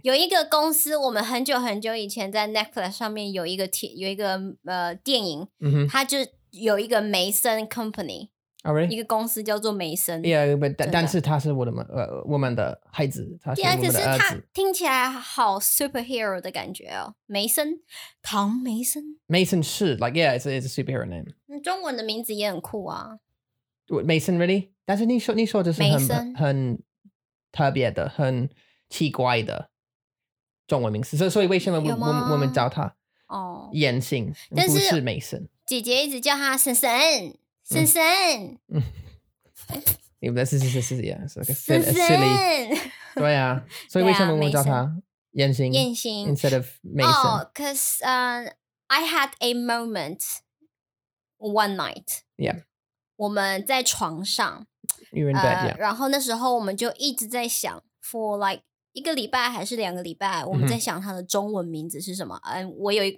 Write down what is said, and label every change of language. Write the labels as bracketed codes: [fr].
[zh] 有一个公司，我们很久很久以前在 Netflix 上面有一个电影，它就有一个 Mason Company. [en] Oh, really? [zh] 一个公司叫做 Mason. [en] Yeah, but [zh] 但是他是我们的孩子，他是我们的儿子。对啊，可是他听起来好 superhero 的感觉哦。 [en] Mason, 唐 Mason? Mason 是 like, yeah, it's a superhero name. [zh] 中文的名字也很酷啊。 [en] Mason, really? [zh] 但是你说的是很特别的，很奇怪的中文名字，所以为什么我们叫他严星，但是不是 Mason？姐姐一直叫他婶婶，婶婶。嗯，不对，是 yeah, 是 silly, 婶婶。对啊，所以为什么我们叫他严星？严星 [en] instead of Mason？ Oh, because I had a moment one night. Yeah. [zh] 我们在床上 [en] You're in bed, yeah. [zh] 然后那时候我们就一直在想 [en] for like [zh] 一个礼拜还是两个礼拜我们在想他的中文名字是什么、mm-hmm.